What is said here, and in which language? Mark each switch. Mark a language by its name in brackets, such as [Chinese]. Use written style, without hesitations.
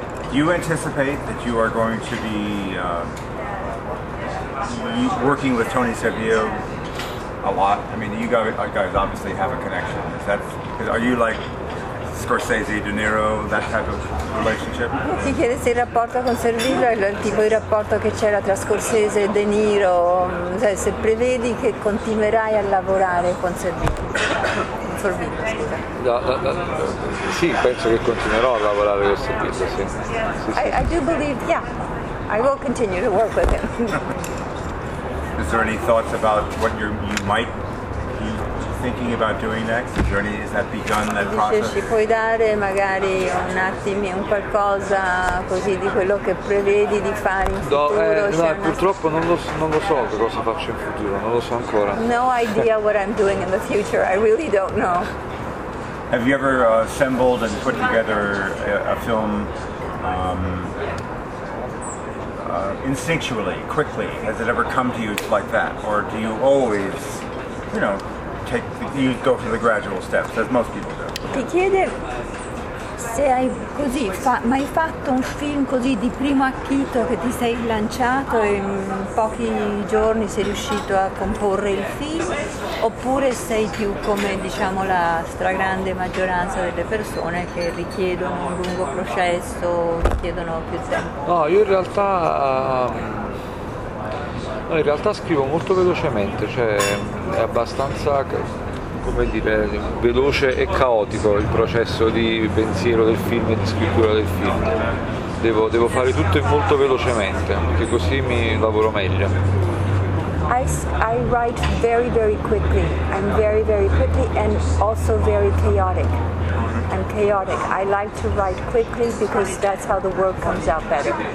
[English] Do you anticipate that you are going to be working with Tony Servillo a lot? I mean, you guys obviously have a connection. Are you like Scorsese, De Niro, that type of relationship? [Italian] Si chiede se il rapporto con Servillo è il tipo di rapporto che c'era tra Scorsese e De Niro, cioè se prevedi che continuerai a lavorare con Servillo. Sì, penso che continuerò a lavorare con Servillo, sì. [English] I do believe, yeah, I will continue to work with him. Is there any thoughts about what you might be thinking about doing next? Has that begun that process? [Italian] Ci puoi dare magari un attimo, un qualcosa così di quello che prevedi di fare in futuro? No, purtroppo non lo so cosa faccio in futuro, non lo so ancora. [English] No idea what I'm doing in the future, I really don't know. Have you ever assembled and put together a film instinctually, quickly? Has it ever come to you like that, or do you always, you know, go through the gradual steps as most people do? [Italian] Ti chiede se hai così mai fatto un film così di primo acchito che ti sei lanciato e in pochi giorni sei riuscito a comporre il film, oppure sei più come diciamo la stragrande maggioranza delle persone che richiedono un lungo processo, richiedono più tempo? No, io in realtà scrivo molto velocemente, cioè è abbastanza, come dire, veloce e caotico il processo di pensiero del film e di scrittura del film. Devo fare tutto molto velocemente, perché così mi lavoro meglio. [English] I write very, very quickly. I'm very, very quickly and also very chaotic. I'm chaotic. I like to write quickly because that's how the world comes out better.